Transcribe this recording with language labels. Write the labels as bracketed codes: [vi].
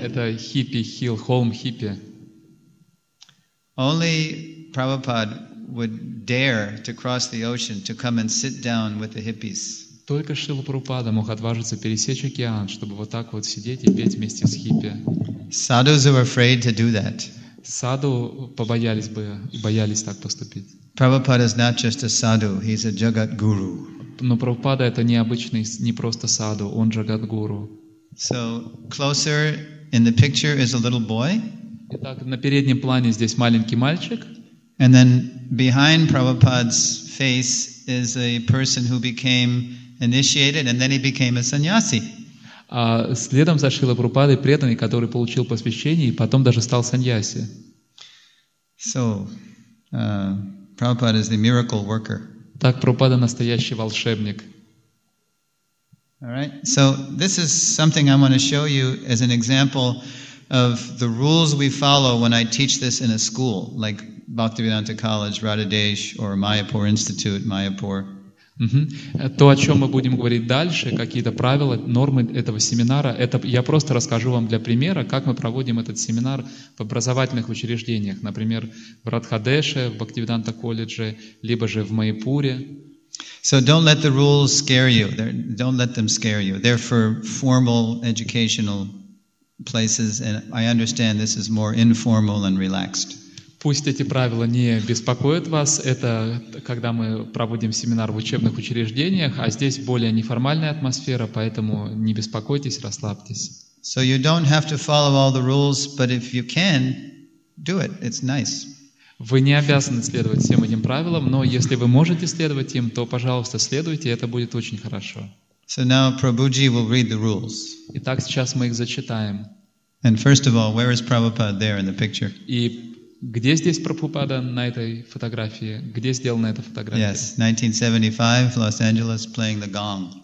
[ru] Это Hippie Hill, Holm Hippie. [en] Only Prabhupada would dare to cross the ocean to come and sit down with the hippies. [ru] Только Шрила Прабхупада мог отважиться пересечь океан, чтобы вот так вот сидеть и петь вместе с хиппи. [en] Sadhus are afraid to do that. [ru] Саду побоялись бы, боялись так поступить. [en] Prabhupada is not just a sadhu, he's a jagat guru. [ru] Но Прабхупада это необычный, не просто саду, он джагат-гуру. [en] So closer in the picture is a little boy. [ru] Итак, на переднем плане здесь маленький мальчик. [en] And then behind Prabhupada's face is a person who became initiated, and then he became a sannyasi. [ru] Следом за Шрилой Прабхупадой преданный, который получил посвящение и потом даже стал саньяси. [en] So, Prabhupada is the miracle worker. [ru] Так, Прабхупада настоящий волшебник. [en] All right. So this is something I want to show you as an example of the rules we follow when I teach this in a school, like Bhaktivedanta College, Radhadesh, or Mayapur Institute, Mayapur. [ru] То, о чем мы будем говорить дальше, какие-то правила, нормы этого семинара, это я просто расскажу вам для примера, как мы проводим этот семинар в образовательных учреждениях, например, в Радхадеше, в Бхактивиданта колледже, либо же в Майпуре. [en] So don't let the rules scare you. Don't let them scare you. They're for formal educational places, and I understand this is more informal and relaxed. [ru] Пусть эти правила не беспокоят вас, это когда мы проводим семинар в учебных учреждениях, а здесь более неформальная атмосфера, поэтому не беспокойтесь, расслабьтесь. [en] So you don't have to follow all the rules, but if you can, do it. It's nice. [ru] Вы не обязаны следовать всем этим правилам, но если вы можете следовать им, то, пожалуйста, следуйте, это будет очень хорошо. [en] So now Prabhuji will read the rules. [ru] Итак, сейчас мы их зачитаем. [en] And first of all, where is Prabhupada there in the picture? [ru] Где здесь Прабхупада на этой фотографии? Где сделана эта фотография? [en] Yes, 1975, Los Angeles, playing the gong.